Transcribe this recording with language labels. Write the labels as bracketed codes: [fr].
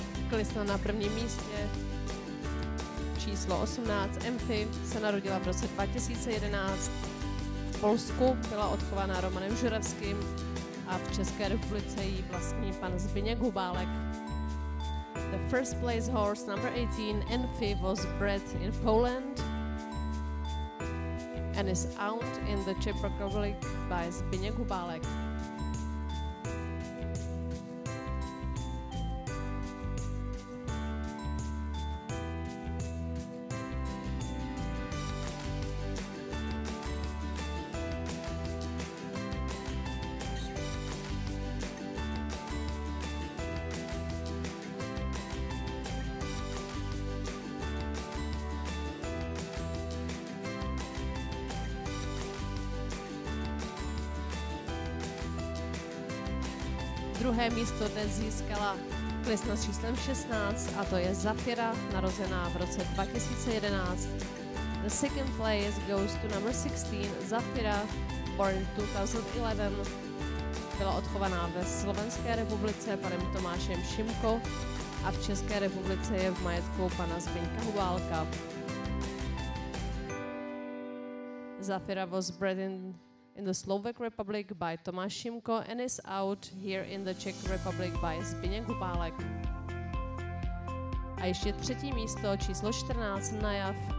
[cs] Klisna na prvním místě, číslo 18, Amphi, se narodila v roce 2011. V Polsku byla odchována Romanem Žuravským a v České republice jí vlastní pan Zbyněk Hubálek. [en] The first place horse, number 18, Amphi, was bred in Poland and is owned in the Czech Republic by Zbyněk Hubálek. [cs] Druhé místo dnes získala klisna s číslem 16 a to je Zafira, narozená v roce 2011. [en] The second place goes to number 16, Zafira, born 2011. [cs] byla odchovaná ve Slovenské republice panem Tomášem Šimko a v České republice je v majetku pana Zbyňka Hubálka. [en] Zafira was bred in the Slovak Republic by Tomáš Šimko and is out here in the Czech Republic by Zbyněk Hubálek. [cs] A ještě třetí místo, číslo 14 na jav.